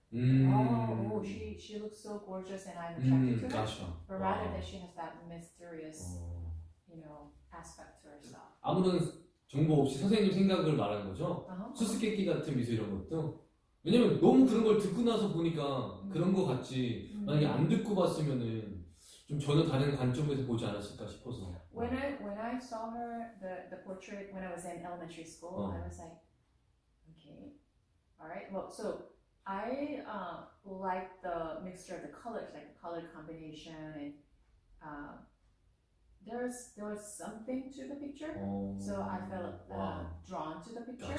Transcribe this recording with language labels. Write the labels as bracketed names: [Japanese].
[English] Oh, she looks so gorgeous and I'm attracted to her. [Korean] 맞죠. [English] But rather that she has that mysterious, you know, aspect to herself. [Korean] 아무런 정보 없이 선생님 생각을 말하는 거죠. 수수께끼 같은 미소 이런 것도. 왜냐면 너무 그런 걸 듣고 나서 보니까 그런 거 같지. 만약에 안 듣고 봤으면은 좀 전혀 다른 관점에서 보지 않았을까 싶어서. [English] When I saw her the portrait when I was in elementary school, I was like, okay, all right. Well, so I like the mixture of the colors, like the color combination, and there was something to the picture, so I felt drawn to the picture.